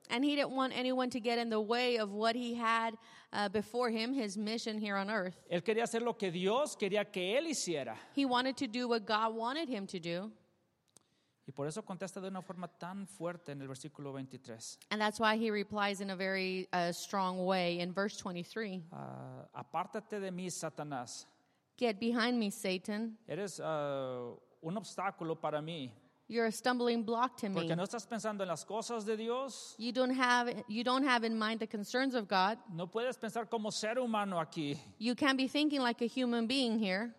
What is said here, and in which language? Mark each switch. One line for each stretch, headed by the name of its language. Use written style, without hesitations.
English: And he didn't want anyone to get in the way of what he had before him, his mission here on earth.
Spanish: Él quería hacer lo que Dios quería que él hiciera.
English: He wanted to do what God wanted him to do.
Spanish: Y por eso contesta de una forma tan fuerte en el versículo 23.
English: And that's why he replies in a very strong way in verse 23.
Spanish: Apártate de mí, Satanás.
English: Get behind me, Satan.
Spanish: Eres un obstáculo para mí.
English: You're a stumbling block to me.
Spanish: Porque no estás pensando en las cosas de Dios.
English: You don't have in mind the concerns of God.
Spanish: No puedes pensar como ser humano aquí.
English: You can't be thinking like a human being here.